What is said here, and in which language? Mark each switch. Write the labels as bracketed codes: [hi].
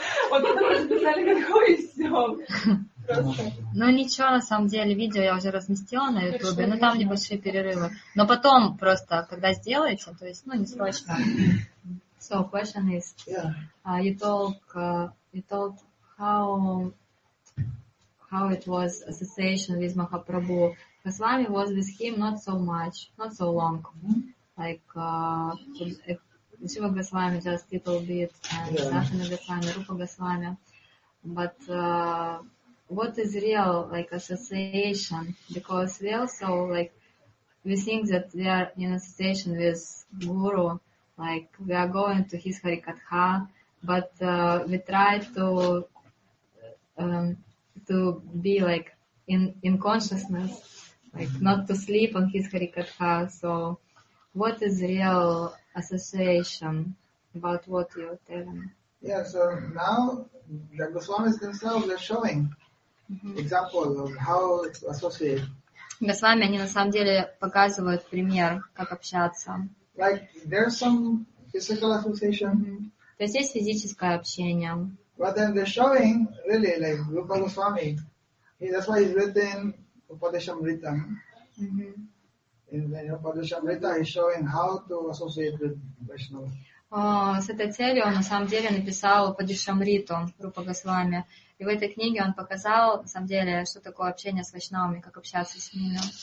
[ru] Вот это уже записали, как вы все. Ну ничего, на самом деле, видео я уже разместила на Ютубе, но там небольшие перерывы. Но потом просто, когда сделаете, то есть, ну, не срочно. [en] So, question is, you told how it was association with Mahaprabhu. Kaswami was with him not so much, not so long. Shiva Goswami, just a little bit, and Sahana Goswami, Rupa Goswami. But what is real, like, association? Because we also, like, we think that we are in association with Guru, like, we are going to his Harikatha, but we try to be, like, in consciousness, like, not to sleep on his Harikatha. So what is real association about what you're telling? Yeah, so now the Goswamis themselves are showing example of how to associate. [ru] Goswami, они на самом деле показывают пример, как общаться. [en] Like, there's some physical association. [ru] То есть есть физическое общение. [en] But then they're showing, really, like, Rupa Goswami. That's why he's written Upadeshamrita. [ru] С этой целью он на самом деле написал Упадешамриту Рупа Госвами. И в этой книге он показал, на самом деле, что такое общение с вайшнавами, как общаться с ними.